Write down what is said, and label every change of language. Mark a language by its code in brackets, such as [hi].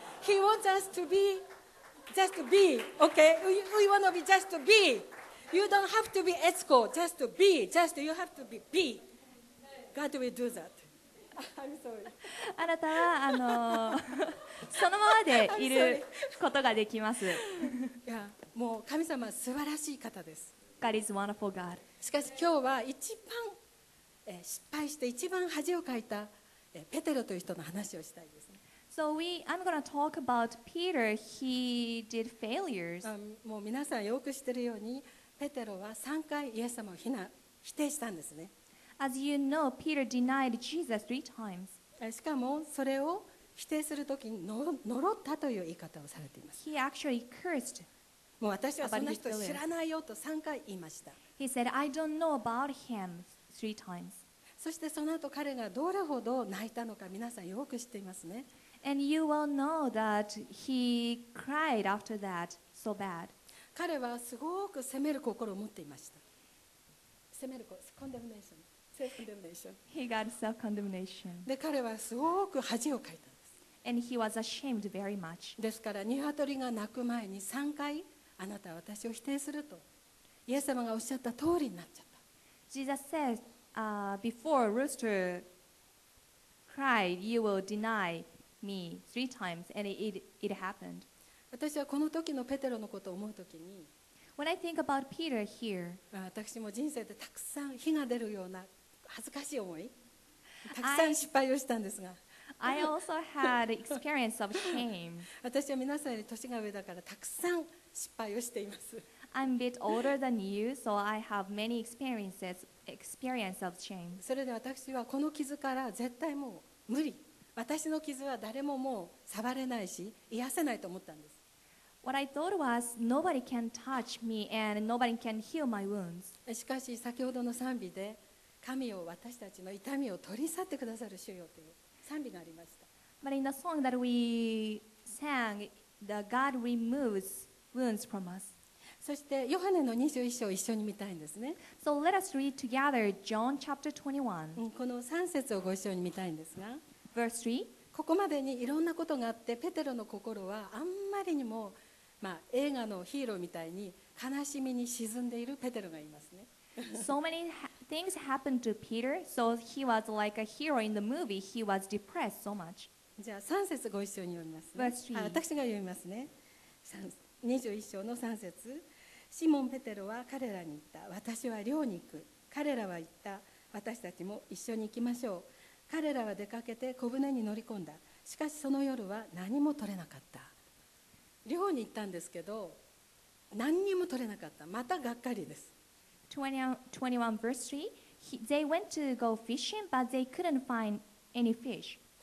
[en] He wants us to be, just to be, okay? We want to be just to be. You don't have to be Esco, just to be, just you have to be, be. God will do that. I'm sorry. [ja] あなたはそのままでいることができます。いや、もう神様は素晴らしい方です。 [en] God is wonderful God. [ja] しかし今日は一番失敗して一番恥をかいたペテロという人の話をしたいですね。 [en] So I'm going to talk about Peter. He did failures. [ja] もう皆さんよく知っているように、ペテロは3回イエス様を否定したんですね。 [en] As you know, Peter denied Jesus three times. [ja] しかもそれを否定するときに呪ったという言い方をされています。 [en] He actually cursed. [ja] もう私はそんな人知らないよと3回言いました。 [en] He said, I don't know about him three times. [ja] そしてその後彼がどれほど泣いたのか皆さんよく知っていますね。 [en] And you will know that he cried after that so bad. [ja] 彼はすごく責める心を持っていました。責める心、condemnation、self-condemnation。 [en] He got self-condemnation. [ja] で彼はすごく恥をかいたんです。 [en] And he was ashamed very much. [ja] ですから鶏が鳴く前に3回あなたは私を否定するとイエス様がおっしゃった通りになっちゃった。 [en] Jesus said, before rooster cried, you will deny. Me, three times, and it happened. [ja] 私はこの時のペテロのことを思うときに [en] When I think about Peter here, [ja] 私も人生でたくさん火が出るような恥ずかしい思いたくさん失敗をしたんですが [en] I also had experience of shame. [ja] 私は皆さんより年が上だからたくさん失敗をしています [en] I'm a bit older than you, so I have many experience of shame. [ja] それで私はこの傷から絶対もう無理私の傷は誰ももう触れないし癒せないと思ったんです。 [en] What I thought was nobody can touch me and nobody can heal my wounds. [ja] しかし先ほどの賛美で神を私たちの痛みを取り去ってくださる主よという賛美がありました。 [en] But in the song that we sang, the God removes wounds from us. [ja] そしてヨハネの21章を一緒に見たいんですね。 [en] So let us read together John chapter 21. [ja] この3節をご一緒に見たいんですが。 [en] Verse 3. [ja] ここまでにいろんなことがあってペテロの心はあんまりにも、まあ、映画のヒーローみたいに悲しみに沈んでいるペテロがいますね。 [en] So many things happened to Peter, so he was like a hero in the movie. He was depressed so much. [ja] じゃあ3節ご一緒に読みますね。 [en] Verse 3. [ja] 私が読みますね。21章の3節。シモン・ペテロは彼らに言った。私は漁に行く。彼らは言った。私たちも一緒に行きましょう。彼らは出かけて小舟に乗り込んだ。しかしその夜は何も取れなかった。漁に行ったんですけど、何にも取れなかった。またがっかりです。 [en] 21 verse 3. They went to go fishing, but they couldn't find any fish.